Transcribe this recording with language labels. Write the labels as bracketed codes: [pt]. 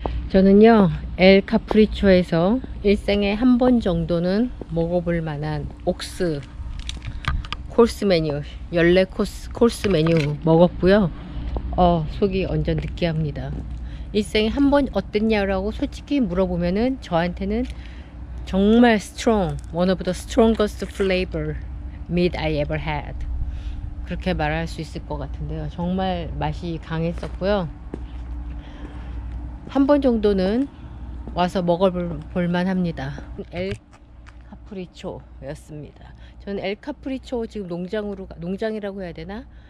[ko] 저는요, 엘 카프리초에서 일생에 한 번 정도는 먹어볼 만한 옥스 코스 메뉴, 열네 코스 메뉴 먹었고요. 속이 완전 느끼합니다. 일생에 한 번 어땠냐라고 솔직히 물어보면은 저한테는 정말 [en] strong, one of the strongest flavor meat I ever had. [ko] 그렇게 말할 수 있을 것 같은데요. 정말 맛이 강했었고요. 한 번 정도는 와서 먹어볼 만합니다. 엘 카프리초였습니다. 저는 엘 카프리초 지금 농장이라고 해야 되나?